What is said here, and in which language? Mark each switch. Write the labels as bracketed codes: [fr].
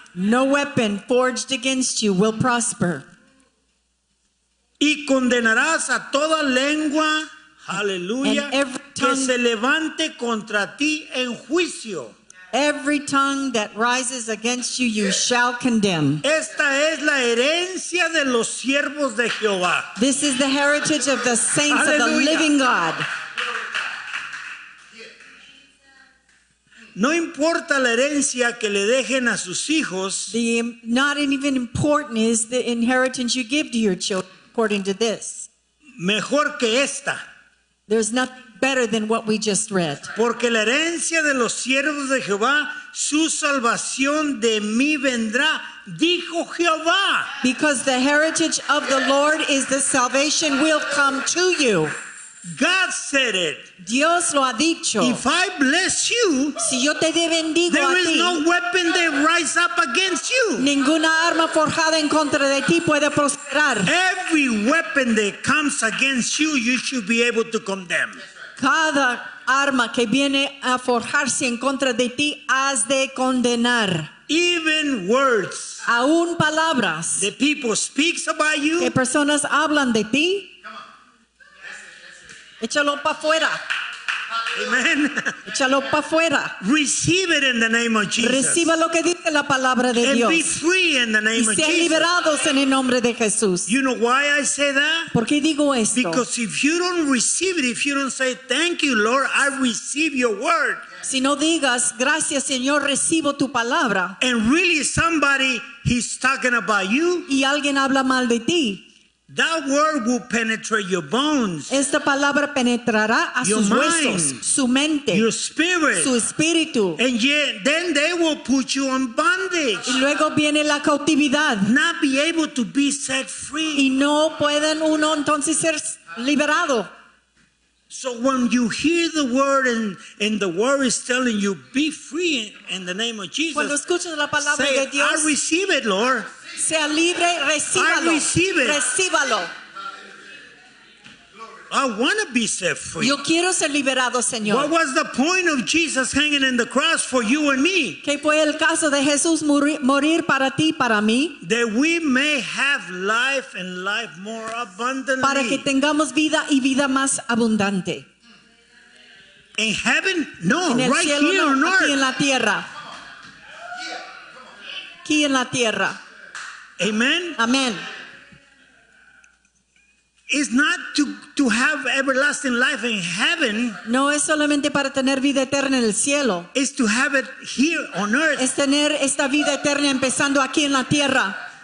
[en] No weapon forged against you will prosper. [es] Y condenarás a toda lengua, aleluya, que se levante contra ti en juicio. [en] Every tongue that rises against you, you shall condemn. [es] Esta es la herencia de los siervos de Jehová. [en] This is the heritage of the saints of the living God. [es] No importa la herencia que le dejen a sus hijos. [en] The not even important is the inheritance you give to your children according to this. [es] Mejor que esta. [en] There's nothing better than what we just read. [es] Porque la herencia de los siervos de Jehová, su salvación de mí vendrá, dijo Jehová. [en] Because the heritage of the Lord is the salvation will come to you. God said it. [es] Dios lo ha dicho. [en] If I bless you, [es] si yo te bendigo, [en] there is [es] a ti, [en] no weapon that rise up against you. [es] Ninguna arma forjada en contra de ti puede prosperar. [en] Every weapon that comes against you, you should be able to condemn. [es] Cada arma que viene a forjarse en contra de ti has de condenar. [en] Even words, [es] aún palabras, [en] the people speaks about you, [es] que personas hablan de ti. Échalo pa fuera. [en] Amen. [es] Échalo pa fuera. [en] Receive it in the name of Jesus. [es] Reciba lo que dice la palabra de Dios. [en] And be free in the name [es] y [en] of Jesus. [es] Y sean liberados en el nombre de Jesús. [en] You know why I say that? [es] ¿Por qué digo esto? [en] Because if you don't receive it, if you don't say thank you, Lord, I receive your word. [es] Si no digas gracias, Señor, recibo tu palabra. [en] And really, somebody he's talking about you. [es] Y alguien habla mal de ti. [en] That word will penetrate your bones. [es] Esta palabra penetrará a [en] your [es] sus [en] mind, [es] huesos, su mente, [en] your spirit, [es] su espíritu. [en] And yet, then they will put you in bondage. [es] Y luego viene la cautividad. [en] Not be able to be set free. [es] Y no pueden uno entonces ser liberado. [en] So when you hear the word and the word is telling you be free in the name of Jesus. [es] Cuando escuchas la palabra [en] say, [es] de Dios, [en] I receive it, Lord. [es] Sea libre, recíbalo. [en] I receive it. [es] Recíbalo. [en] I want to be set free. [es] Yo quiero ser liberado, Señor. [en] What was the point of Jesus hanging in the cross for you and me? [es] ¿Qué fue el caso de Jesús morir para ti, para mí? [en] That we may have life and life more abundantly. [es] Para que tengamos vida y vida más abundante. [en] In heaven? No, [es] en el [en] right [es] cielo, [en] here [es] no, [en] on earth. [es] Aquí en la tierra. Aquí en la tierra. [en] Amen. Amen. It's not to have everlasting life in heaven. [es] No es solamente para tener vida eterna en el cielo. [en] It's to have it here on earth. [es] Es tener esta vida eterna empezando aquí en la tierra.